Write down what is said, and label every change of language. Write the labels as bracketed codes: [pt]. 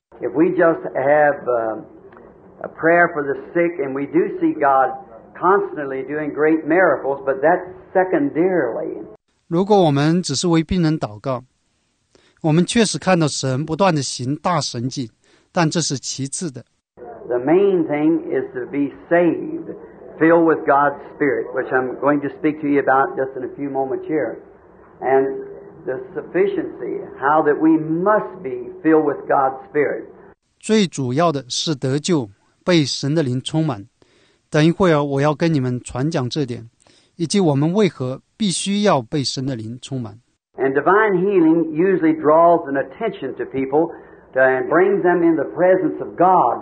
[en] If we just have a prayer for the sick, and we do see God constantly doing great miracles, but that's secondarily. [zh] 如果我们只是为病人祷告，我们确实看到神不断地行大神迹，但这是其次的。 [en] The main thing is to be saved, filled with God's Spirit, which I'm going to speak to you about just in a few moments here, and the sufficiency, how that we must be filled with God's Spirit. [zh] 最主要的是得救，被神的灵充满。等一会儿我要跟你们传讲这点，以及我们为何必须要被神的灵充满。 [en] And divine healing usually draws an attention to people and brings them in the presence of God.